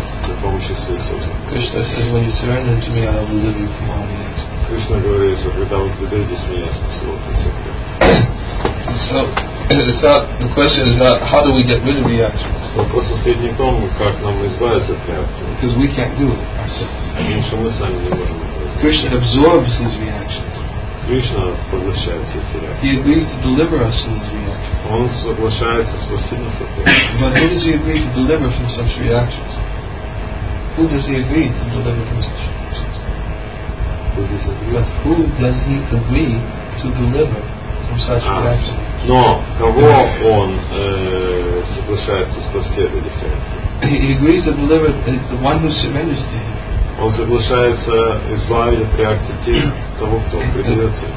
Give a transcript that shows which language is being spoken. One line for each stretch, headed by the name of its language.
English: Krishna says, when you surrender to me, I will deliver you from all reactions.
Russian: Krishna говорит, что когда вы предаетесь мне, я спасу вас от всех.
English: So, it's not, the question is not, how do we get rid of reactions?
Russian: Вопрос состоит не в том, как нам избавиться от реакции.
English: Because we can't do it ourselves.
Russian: Потому что мы сами не можем.
English: Krishna absorbs these reactions.
Russian: Krishna поглощает все эти реакции.
English: He agrees to deliver us from these reactions.
Russian: Он соглашается спасти нас от этого.
English: But who does he agree to deliver from such reactions? Who does he agree to deliver from such reactions? Who does he agree? But who does he agree to deliver from such reactions?
Russian: Но кого он соглашается спасти от этих реакций?
English: He agrees to deliver the one who surrenders to him.
Russian: Он соглашается избавить от реакции тех, того, кто предается.